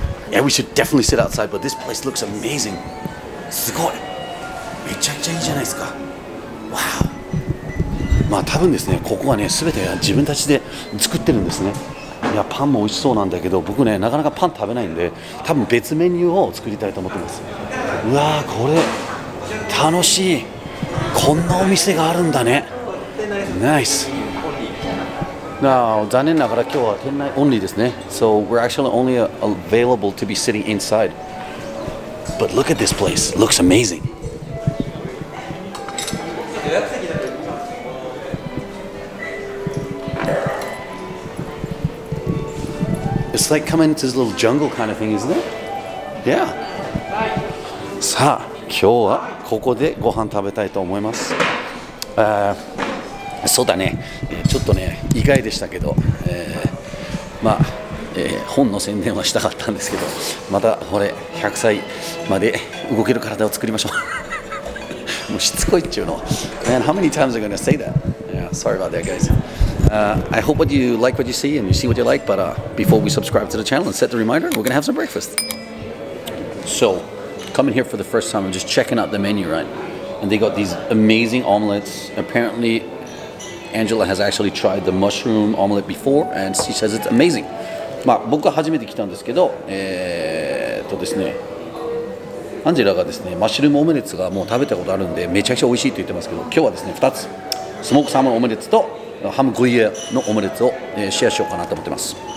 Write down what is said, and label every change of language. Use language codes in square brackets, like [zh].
[en] Yeah, we should definitely sit outside, but this place looks amazing. [ja] すごい。めちゃくちゃいいじゃないですか。 [en] Wow. [ja] まあ多分ですね、ここはね、すべて自分たちで作ってるんですね。いや、パンも美味しそうなんだけど、僕ね、なかなかパン食べないんで、多分別メニューを作りたいと思ってます。うわー、これ。楽しい。こんなお店があるんだね。ナイス。 [en] Now, [ja] 残念ながら今日は店内オンリーですね。 [en] So we're actually only available to be sitting inside. But look at this place. Looks amazing. It's like coming into this little jungle kind of thing, isn't it? Yeah. [ja] さあ、今日はここでご飯食べたいと思います。そうだね、ちょっとね、意外でしたけど、まあ、本の宣伝はしたかったんですけど、またこれ、100歳まで動ける体を作りましょう。もうしつこいっちゅうの。 [en] Man, how many times are you gonna say that? Yeah, sorry about that, guys. I hope what you like what you see and you see what you like, but before we subscribe to the channel and set the reminder, we're gonna have some breakfast. So,coming here for the first time and just checking out the menu, right? And they got these amazing omelets. Apparently, Angela has actually tried the mushroom omelet before and she says it's amazing. [ja] まあ僕は初めて来たんですけど、ですね、アンジェラがですね、マッシュルームオムレツがもう食べたことあるんで、めちゃくちゃ美味しいと言ってますけど、今日はですね、2つ、スモークサーモンオムレツとハムグリエのオムレツを、シェアしようかなと思ってます。